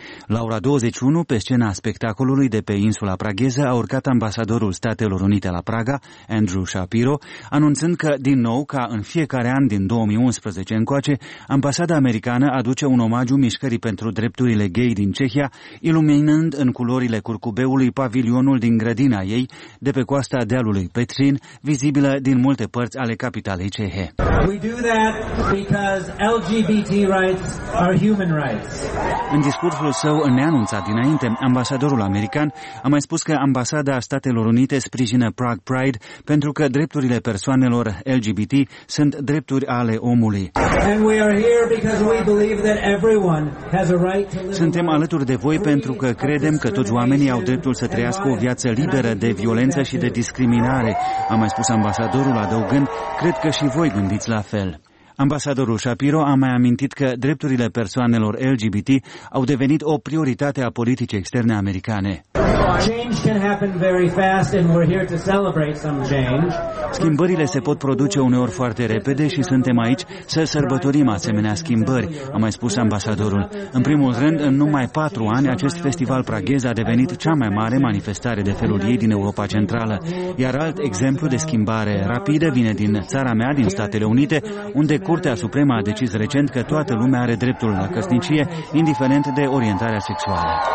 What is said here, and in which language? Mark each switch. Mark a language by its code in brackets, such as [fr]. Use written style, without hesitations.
[ro] La ora 21, pe scena spectacolului de pe insula pragheză, a urcat ambasadorul Statelor Unite la Praga, Andrew Shapiro, anunțând că, din nou, ca în fiecare an din 2011 încoace, ambasada americană aduce un omagiu mișcării pentru drepturile gay din Cehia, iluminând în culorile curcubeului pavilionul din grădina ei, de pe coasta dealului Petrin, vizibilă din multe părți ale capitalei cehe. [en] We do that because LGBT rights are human rights. [ro] În discursul său neanunțat dinainte, ambasadorul american a mai spus că ambasada Statelor Unite sprijină Prague Pride pentru că drepturile persoanelor LGBT sunt drepturi ale omului. [en] And we are here because we believe that everyone has a right to live. [ro] Suntem alături de voi pentru că credem că toți oamenii au dreptul să trăiască o viață liberă de violență și de discriminare, a mai spus ambasadorul, adăugând: cred că și voi gândiți la fel. Ambasadorul Shapiro a mai amintit că drepturile persoanelor LGBT au devenit o prioritate a politicii externe americane. [en] Change can happen very fast and we're here to celebrate some change. [ro] Schimbările se pot produce uneori foarte repede și suntem aici să sărbătorim asemenea schimbări, a mai spus ambasadorul. În primul rând, în numai 4 ani, acest festival praghez a devenit cea mai mare manifestare de felul ei din Europa Centrală. Iar alt exemplu de schimbare rapidă vine din țara mea, din Statele Unite, unde Curtea Supremă a decis recent că toată lumea are dreptul la căsnicie, indiferent de orientarea sexuală.